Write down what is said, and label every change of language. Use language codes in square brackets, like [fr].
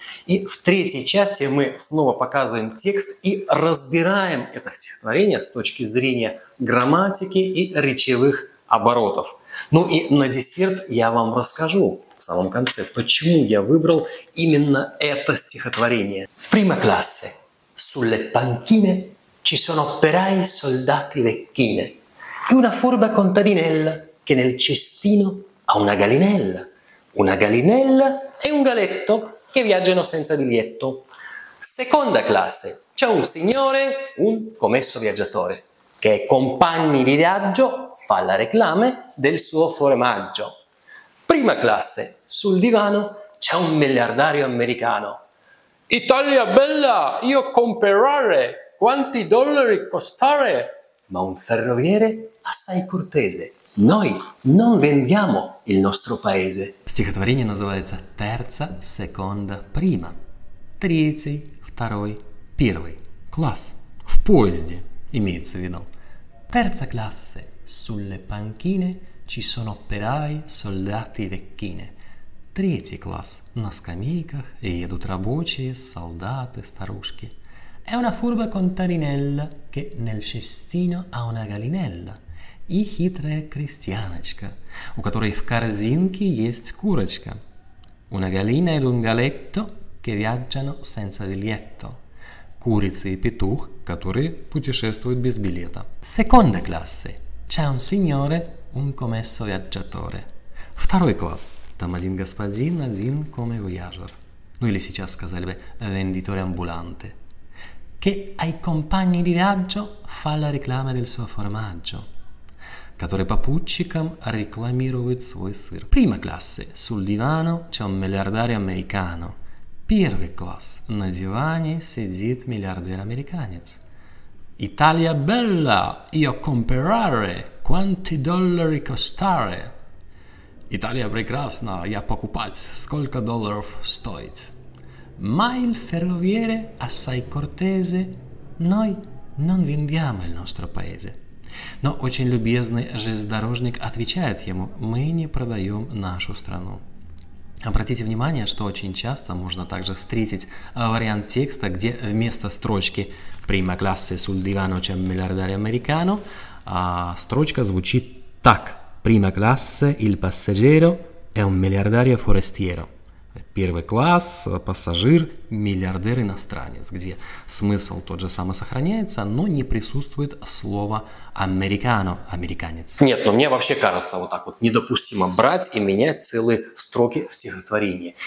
[ru] И в третьей части мы снова показываем текст и разбираем это стихотворение с точки зрения грамматики и речевых оборотов. Ну и на десерт я вам расскажу в самом конце, почему я выбрал именно это стихотворение. [it] Prima classe. Sulle panchine ci sono operai soldati vecchine e una furba contadinella che nel cestino ha una gallinella. Una gallinella e un galletto che viaggiano senza biglietto. Seconda classe, c'è un signore, un commesso viaggiatore, che ai compagni di viaggio fa la reclame del suo formaggio. Prima classe, sul divano c'è un miliardario americano. Italia bella, io comprerò quanti dollari costare. Ma un ferroviere assai cortese. Noi non vendiamo il nostro paese. [ru] Стихотворение называется [it] «Terza, seconda, prima». [ru] Третий, второй, первый. Класс. В поезде имеется в виду. [it] Terza classe. Sulle panchine ci sono operai, soldati vecchine. [ru] Третий класс. На скамейках едут рабочие, солдаты, старушки. [it] È una furba contadinella che nel cestino ha una gallinella. [ru] И хитрая крестьяночка, у которой в корзинке есть курочка. [it] Una gallina ed un galletto che viaggiano senza biglietto. [ru] Курица и петух, которые путешествуют без билета. [it] Seconda classe. C'è un signore, un commesso viaggiatore. [ru] Второй класс. Там один господин, один come voyager. Ну или сейчас сказали бы «вендиторе амбуланте». [it] Che ai compagni di viaggio fa la reclama del suo formaggio. [ru] Который попутчикам рекламирует свой сыр. [it] Prima classe. Sul divano c'è un miliardario americano. [ru] Первый класс. На диване сидит миллиардер-американец. [it] Italia bella. Io comprerò. Quanti dollari costare? [ru] Italия прекрасна, я покупать, сколько долларов стоит. [it] Ma il ferroviere assai cortese, noi non vendiamo il nostro paese. [ru] Но очень любезный железнодорожник отвечает ему, мы не продаем нашу страну. Обратите внимание, что очень часто можно также встретить вариант текста, где вместо строчки [it] «Prima classe sul divano c'è un miliardario americano» [ru] строчка звучит так. [it] Prima classe il passeggero è un miliardario forestiero. [ru] Первый класс, пассажир, миллиардер иностранец, где смысл тот же самый сохраняется, но не присутствует слово американо, американец. Нет, но мне вообще кажется вот так вот недопустимо брать и менять целые строки в стихотворении.